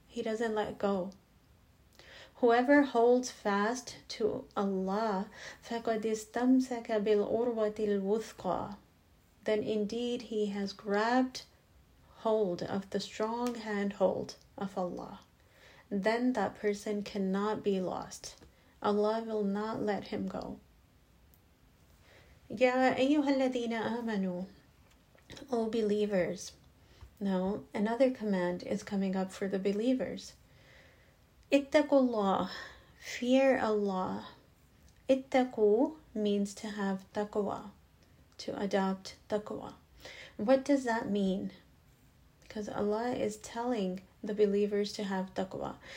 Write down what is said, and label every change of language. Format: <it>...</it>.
<en>He doesn't let go. Whoever holds fast to Allah,</en> <ar>فَقَدْ اسْتَمْسَكَ بِالْعُرْوَةِ الْوُثْقَى,</ar> <en>then indeed he has grabbed hold of the strong handhold of Allah. Then that person cannot be lost. Allah will not let him go.</en> <ar>يَا أَيُّهَا الَّذِينَ آمَنُوا,</ar> <en>O believers. Now, another command is coming up for the believers.</en> <ar>اتَّقُوا اللَّهِ,</ar> <en>fear Allah. اتَّقُوا means to have taqwa, to adopt taqwa. What does that mean? Because Allah is telling the believers to have taqwa.</en>